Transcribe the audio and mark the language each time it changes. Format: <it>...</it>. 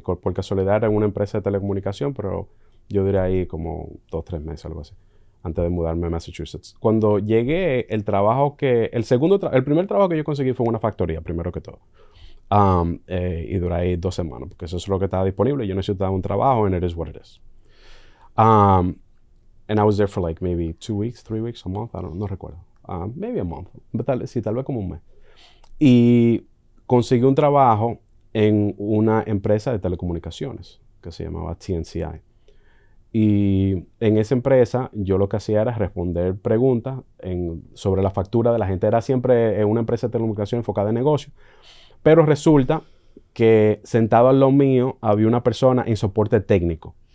<es>Por casualidad era en una empresa de telecomunicación, pero yo duré ahí como 2-3 meses, algo así, antes de mudarme a Massachusetts. Cuando llegué, el primer trabajo que yo conseguí fue en una factoría, primero que todo. Y duré ahí 2 semanas, porque eso es lo que estaba disponible. Yo necesitaba un trabajo,</es> <en>and it is what it is. And I was there for like maybe 2 weeks, 3 weeks, a month, I don't know,</en> <es>no recuerdo.</es> <en>Maybe a month,</en> <es>tal vez como un mes. Y conseguí un trabajo en una empresa de telecomunicaciones que se llamaba TNCI. Y en esa empresa yo lo que hacía era responder preguntas sobre la factura de la gente. Era siempre en una empresa de telecomunicaciones enfocada en negocio. Pero resulta que sentado al lado mío había una persona en soporte técnico.</es>